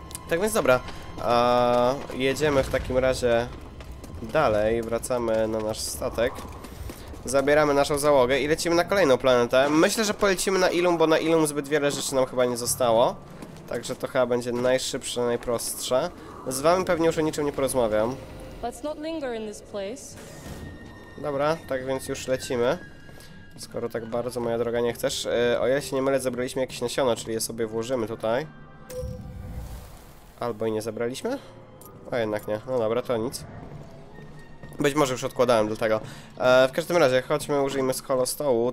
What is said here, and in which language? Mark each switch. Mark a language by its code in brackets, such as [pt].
[pl] Tak więc dobra, jedziemy w takim razie dalej, wracamy na nasz statek. Zabieramy naszą załogę i lecimy na kolejną planetę. Myślę, że polecimy na Ilum, bo na Ilum zbyt wiele rzeczy nam chyba nie zostało. Także to chyba będzie najszybsze, najprostsze. Z wami pewnie już o niczym nie porozmawiam. [en] Let's not linger in this place. [pl] Dobra, tak więc już lecimy. Skoro tak bardzo, moja droga, nie chcesz. O, ja się nie mylę, zebraliśmy jakieś nasiona, czyli je sobie włożymy tutaj. Albo i nie zebraliśmy? O, jednak nie. No dobra, to nic. Być może już odkładałem do tego. W każdym razie, chodźmy, użyjmy skolo stołu.